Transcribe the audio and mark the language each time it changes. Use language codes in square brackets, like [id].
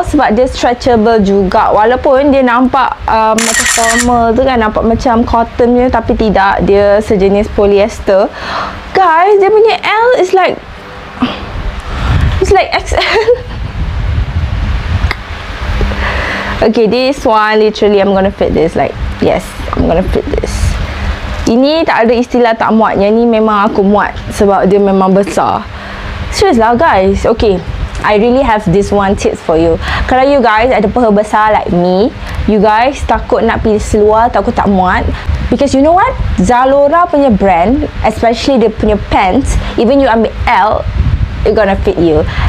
[ms] Sebab dia stretchable juga. Walaupun dia nampak macam formal tu kan, nampak macam cotton je, tapi tidak, dia sejenis polyester. [en] Guys, dia punya L is like, it's like XL. Okay, this one literally I'm gonna fit this. Like, yes, I'm gonna fit this. [ms] Ini tak ada istilah tak muat. Yang ni memang aku muat sebab dia memang besar. Serius lah guys. [en] Okay, I really have this one tips for you. [ms] Kalau you guys ada peha besar like me, you guys takut nak pilih seluar, takut tak muat. [en] Because you know what? Zalora punya brand, especially dia punya pants, even you ambil L, it gonna fit you.